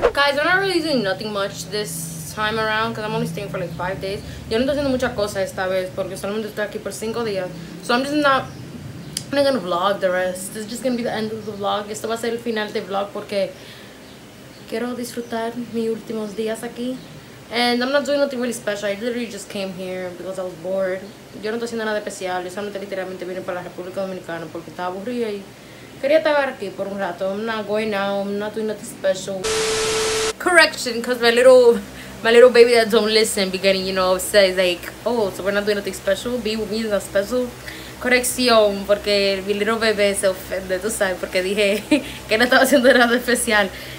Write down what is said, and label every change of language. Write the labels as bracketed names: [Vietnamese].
[English] Guys, I'm not really doing nothing much this time around because I'm only staying for like 5 days. [Spanish] Yo no estoy haciendo mucha cosa esta vez porque solamente estoy aquí por 5 días. [English] So I'm just not. I'm not gonna vlog the rest. This is just gonna be the end of the vlog. [Spanish] Esto va a ser el final del vlog porque quiero disfrutar mis últimos días aquí. [English] And I'm not doing nothing really special. I literally just came here because I was bored. [Spanish] Yo no estoy haciendo nada especial. Yo solamente literalmente vine para la República Dominicana porque estaba aburrida y quería estar aquí por un rato. [English] I'm not going now. I'm not doing nothing special. Correction, because my little baby that don't listen be getting, you know, upset. Like, oh, so we're not doing nothing special. Be with me is not special. [Spanish] Corrección, porque mi [English] little [Spanish] bebé se ofende, tú sabes, porque dije que no estaba haciendo nada especial.